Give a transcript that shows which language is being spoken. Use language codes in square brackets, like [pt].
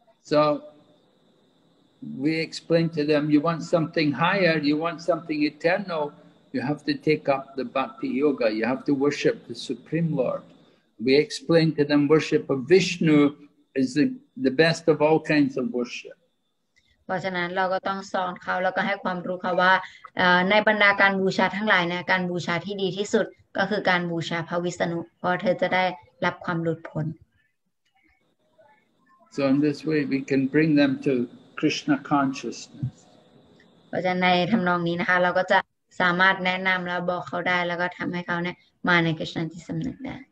[en] SoWe explain to them, you want something higher, you want something eternal, you have to take up the Bhakti Yoga, you have to worship the Supreme Lord. We explain to them, worship of Vishnu is the best of all kinds of worship. [th] เพราะฉะนั้นเราก็ต้องสอนเขาแล้วก็ให้ความรู้เขาว่าในบรรดาการบูชาทั้งหลายเนี่ยการบูชาที่ดีที่สุดก็คือการบูชาพระวิษณุเพราะเธอจะได้รับความหลุดพ้น [en] So in this way we can bring them toKrishna consciousness. [th] เพราะฉะนั้นในทำนองนี้นะคะเราก็จะสามารถแนะนำแล้วบอกเขาได้แล้วก็ทำให้เขาเนี่ยมาในKrishna ที่สำนึกได